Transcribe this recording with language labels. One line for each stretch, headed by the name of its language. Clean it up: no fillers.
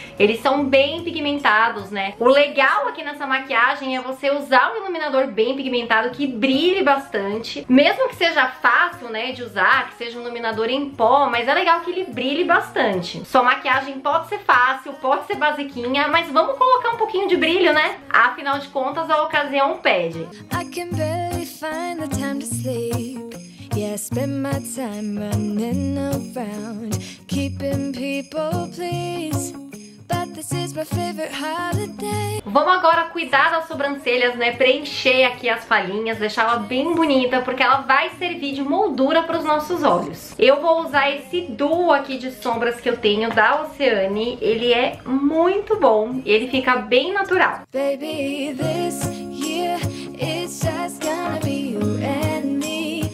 Portuguese: Eles são bem pigmentados, né? O legal aqui nessa maquiagem é você usar um iluminador bem pigmentado que brilhe bastante. Mesmo que seja fácil, né, de usar, que seja um iluminador em pó, mas é legal que ele brilhe bastante. Sua maquiagem pode ser fácil, pode ser basiquinha, mas vamos colocar um pouquinho de brilho, né? Afinal de contas, a ocasião pede.
English: I can barely find the time to sleep. Yeah, spend my time running around, keeping people please. But this is my favorite holiday.
Portuguese: Vamos agora cuidar das sobrancelhas, né? Preencher aqui as falhinhas, deixar ela bem bonita, porque ela vai servir de moldura para os nossos olhos. Eu vou usar esse duo aqui de sombras que eu tenho da Oceane. Ele é muito bom, ele fica bem natural.
English: Baby, this year it's just gonna be you and me.